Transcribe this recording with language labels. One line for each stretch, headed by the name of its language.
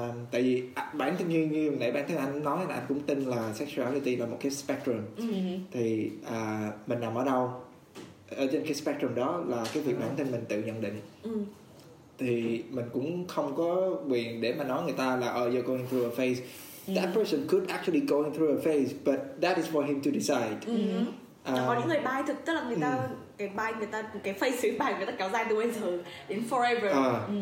Vietnamese: Tại vì bản thân như nãy bản thân anh nói là anh cũng tin là sexuality là một cái spectrum. Thì mình nằm ở đâu ở trên cái spectrum đó là cái việc bản thân mình tự nhận định. Thì mình cũng không có quyền để mà nói người ta là
English: you're going through a phase. That person could actually going through a phase, but that is for him to decide.
Vietnamese: Có những người bi thực, tức là người ta cái bi người ta cái phase sử bi người ta kéo dài từ bây giờ đến forever.